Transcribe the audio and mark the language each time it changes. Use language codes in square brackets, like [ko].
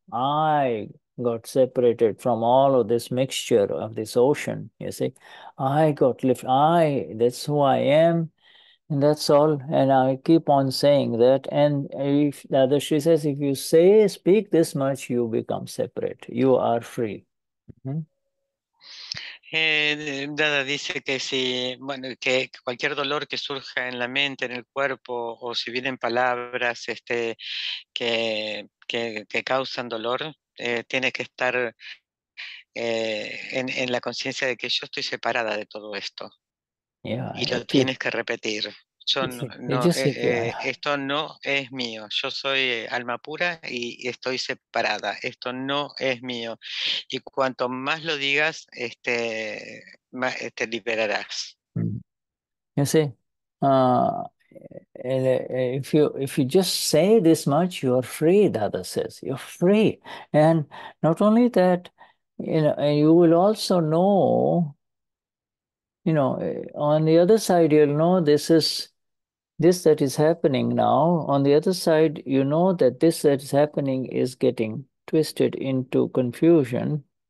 [en] I got separated from all of this mixture of this ocean. You see, I got lifted. That's who I am. And that's all. And I keep on saying that. And if Dada, she says, if you say, speak this much, you become separate. You are free. [es] Dada dice que si, bueno, que cualquier dolor que surja en la mente, en el cuerpo, o si vienen palabras que causan dolor, tiene que estar en la conciencia de que yo estoy separada de todo esto. Yeah, y lo tienes que repetir. Esto no es mío. Yo soy alma pura y estoy separada. Esto no es mío. Y cuanto más lo digas, más te liberarás. [en] You see, if you just say this much, you are free. Dada says you're free, and not only that, you know, and you will also know. You know, on the other side, you'll know this is. This that is happening now, on the other side, you know that this that is happening is getting twisted into confusion.